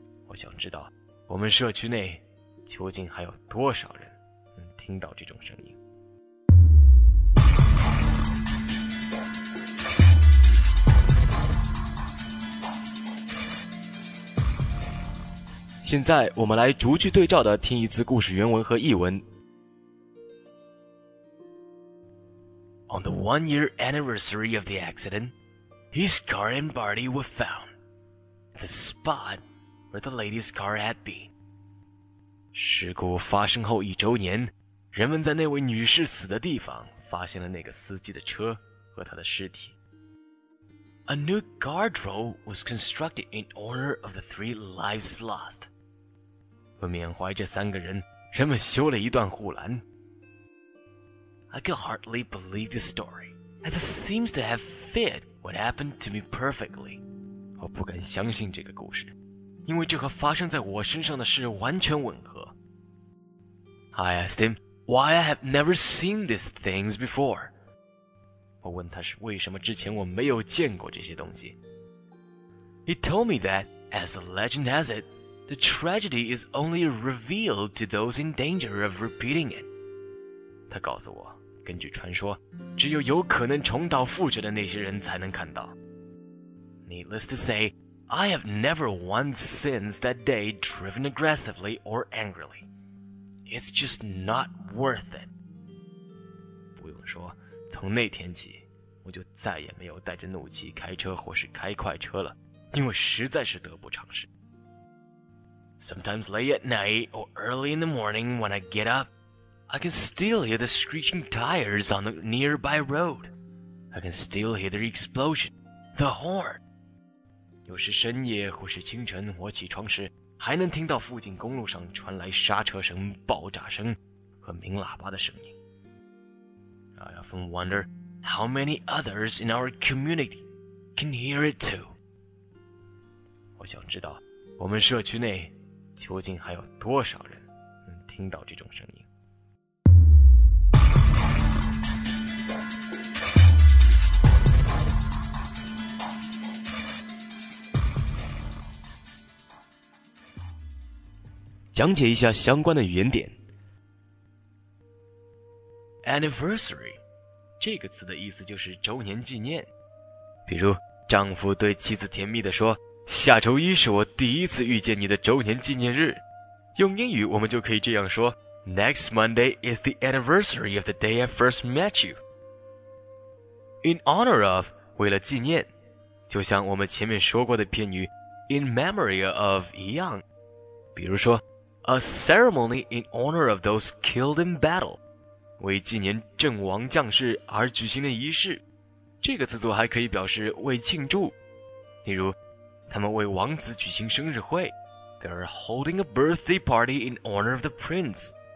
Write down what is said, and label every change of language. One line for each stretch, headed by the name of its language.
Chinese: 我想知道我们社区内究竟还有多少人能听到这种声音。现在我们来逐句对照的听一次故事原文和译文。
English: On the 1 year anniversary of the accident, his car and body were found. The spot where the lady's car had been.
Chinese: 事故发生后一周年，人们在那位女士死的地方发现了那个司机的车和她的尸体。
English: A new guardrail was constructed in honor of the three lives lost.
Chinese: 为缅怀这三个人，人们修了一段护栏。
English: I could hardly believe the story, as it seems to have fit what happened to me perfectly.
Chinese: 我不敢相信这个故事，因为这和发生在我身上的事完全吻合。
English: I asked him why I have never seen these things before.
Chinese: 我问他是为什么之前我没有见过这些东西。
English: He told me that, as the legend has it, the tragedy is only revealed to those in danger of repeating it.
Chinese: 他告诉我，根据传说，只有有可能重蹈覆辙的那些人才能看到。
English: Needless to say, I have never once since that day driven aggressively or angrily. It's just not worth it.
Chinese: 不用说，从那天起，我就再也没有带着怒气开车或是开快车了，因为实在是得不偿失。
English: Sometimes late at night or early in the morning when I get up, I can still hear the screeching tires on the nearby road. I can still hear the explosion, the horn.
Chinese: 有时深夜或是清晨，我起床时还能听到附近公路上传来刹车声、爆炸声和鸣喇叭的声音。
English: I often wonder how many others in our community can hear it too.
Chinese: 我想知道我们社区内究竟还有多少人能听到这种声音。讲解一下相关的语言点。 Anniversary 这个词的意思就是周年纪念。比如丈夫对妻子甜蜜地说，下周一是我第一次遇见你的周年纪念日。用英语我们就可以这样说，
English: Next Monday is the anniversary of the day I first met you.
Chinese: In honor of, 为了纪念，就像我们前面说过的片语 in memory of 一样。比如说
English: A ceremony in honor of those killed in battle,
Chinese: 为纪念阵亡将士而举行的仪式。这个词组还可以表示为庆祝，例如他们为王子举行生日会，
English: They're holding a birthday party in honor of the prince.